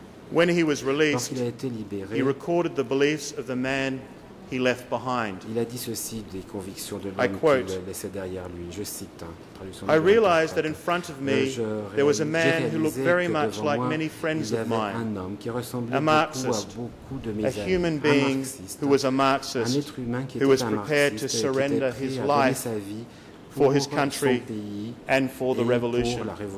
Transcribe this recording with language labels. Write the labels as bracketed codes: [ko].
[en] When he was released, he recorded the beliefs of the man he left behind. [fr] Il a dit ceci des convictions de l'homme qu'il laissait derrière lui. Je cite. [en] I realized that in front of me there was a man who looked very much like many friends of mine, a Marxist, a human being who was a Marxist, who was prepared to surrender his life for his country and for the revolution.